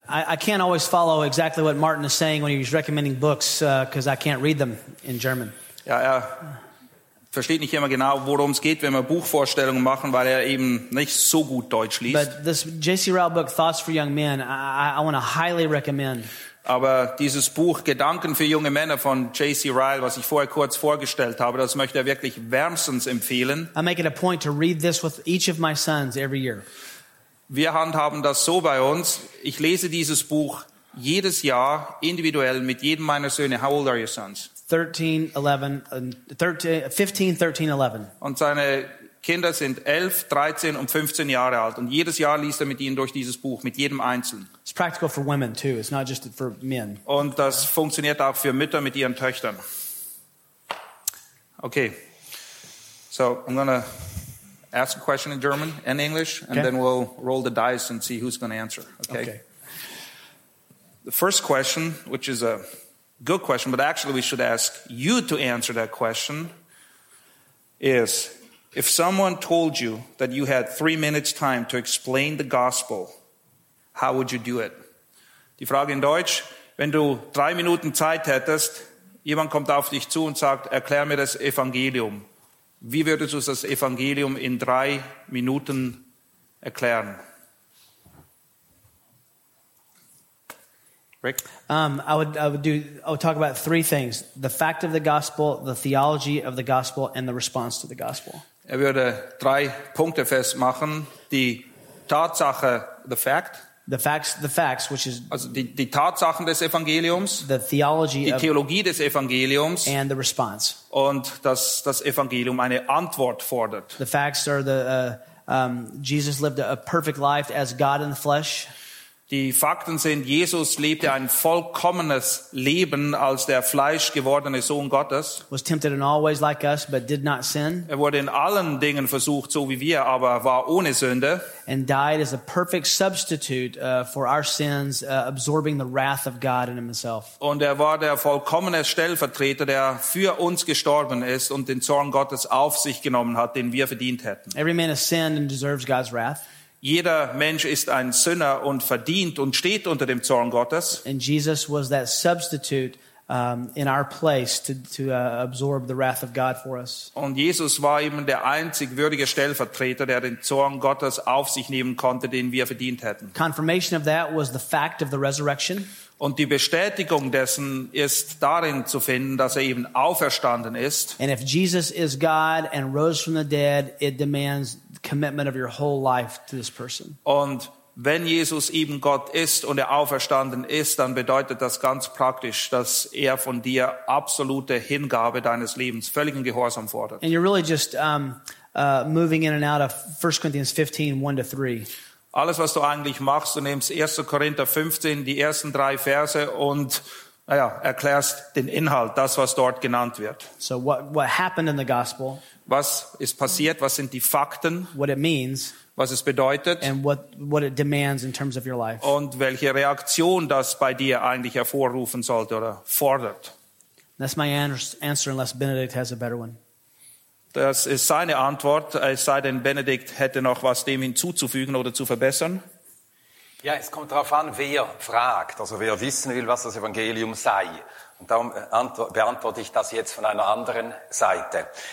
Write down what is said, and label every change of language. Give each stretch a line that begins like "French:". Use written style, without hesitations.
English: I can't always follow exactly what Martin is saying when he's recommending books because I can't read them in German.
German: Ja, er versteht nicht immer genau, worum es geht, wenn wir Buchvorstellungen machen, weil er eben nicht so gut Deutsch liest.
English: But this J.C. Ryle book, Thoughts for Young Men, I want to highly recommend.
German: Aber dieses Buch Gedanken für junge Männer von J.C. Ryle, was ich vorher kurz vorgestellt habe, das möchte er wirklich wärmstens empfehlen.
English: I make it a point to read this with each of my sons every year.
German: Wir handhaben das so bei uns. Ich lese dieses Buch jedes Jahr individuell mit jedem meiner Söhne.
English: How old are your sons? 15, 13, 11.
German: Und seine Kinder sind 11, 13 und 15 Jahre alt. Und jedes Jahr liest er mit ihnen durch dieses Buch, mit jedem Einzelnen.
English: It's practical for women too. It's not just for men.
German: Und das funktioniert auch für Mütter mit ihren Töchtern.
English: Okay. So, I'm going to ask a question in German and English, and okay. Then we'll roll the dice and see who's going to answer. Okay. The first question, which is a good question, but actually we should ask you to answer that question, is if someone told you that you had 3 minutes time to explain the gospel, how would you do it?
German: Die Frage in Deutsch, wenn du 3 Minuten Zeit hättest, jemand kommt auf dich zu und sagt, erklär mir das Evangelium. Wie würdest du das Evangelium in 3 Minuten erklären?
English: Rick? I would talk about 3 things. The fact of the gospel, the theology of the gospel, and the response to the gospel.
German: Er würde 3 Punkte festmachen. Die Tatsache,
English: the fact. The facts, which is...
German: Also die Tatsachen des Evangeliums.
English: The theology
German: of... Die Theologie des Evangeliums.
English: And the response.
German: Und dass das Evangelium eine Antwort fordert.
English: The facts are the... Jesus lived a perfect life as God in the flesh.
German: Die Fakten sind, Jesus lebte ein vollkommenes Leben als der fleischgewordene Sohn Gottes.
English: Was tempted in all ways like us, but did not sin.
German: Er wurde in allen Dingen versucht, so wie wir, aber war ohne Sünde.
English: And died as a perfect substitute for our sins, absorbing the wrath of God in himself.
German: Und er war der vollkommene Stellvertreter, der für uns gestorben ist und den Zorn Gottes auf sich genommen hat, den wir verdient hätten.
English: Every man has sinned and deserves God's wrath.
German: Jeder Mensch ist ein Sünder und verdient und steht unter dem Zorn Gottes.
English: And Jesus was that substitute in our place to absorb the wrath of God for us.
German: Und Jesus war eben der einzig würdige Stellvertreter, der den Zorn Gottes auf sich nehmen konnte, den wir verdient hätten.
English: Confirmation of that was the fact of the resurrection.
German: Und die Bestätigung dessen ist darin zu finden, dass er eben auferstanden ist.
English: And if Jesus is God and rose from the dead, it demands commitment of your whole life to this person.
German: Und wenn Jesus eben Gott ist und er auferstanden ist, dann bedeutet das ganz praktisch, dass er von dir absolute Hingabe deines Lebens, völligen Gehorsam fordert.
English: And you're really just moving in and out of 1 Corinthians 15, 1-3.
German: Alles, was du eigentlich machst, du nimmst 1. Korinther 15, die ersten 3 Verse und erklärst den Inhalt, das, was dort genannt wird.
English: So what happened in the gospel?
German: Was ist passiert? Was sind die Fakten?
English: What it means?
German: Was es bedeutet?
English: And what it demands in terms of your life?
German: Und welche Reaktion das bei dir eigentlich hervorrufen sollte oder fordert?
English: That's my answer, unless Benedict has a better one.
German: Das ist seine Antwort, es sei denn, Benedikt hätte noch was dem hinzuzufügen oder zu verbessern. Ja, es kommt darauf an, wer fragt, also wer wissen will, was das Evangelium sei. Und darum beantworte ich das jetzt von einer anderen Seite.